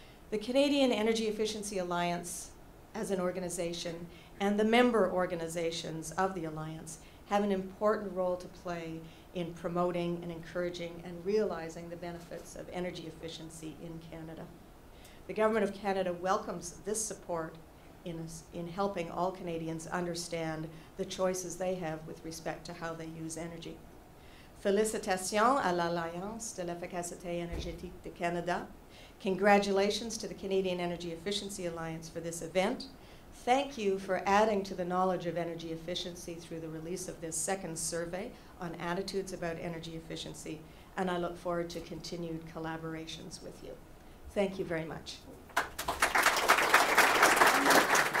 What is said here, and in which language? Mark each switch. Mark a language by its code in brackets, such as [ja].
[en] The Canadian Energy Efficiency Alliance, as an organization, and the member organizations of the Alliance have an important role to play in promoting and encouraging and realizing the benefits of energy efficiency in Canada. The Government of Canada welcomes this support in helping all Canadians understand the choices they have with respect to how they use energy. [fr] Félicitations à l'Alliance de l'efficacité énergétique de Canada. [en] Congratulations to the Canadian Energy Efficiency Alliance for this event. Thank you for adding to the knowledge of energy efficiency through the release of this second survey on attitudes about energy efficiency, and I look forward to continued collaborations with you. Thank you very much.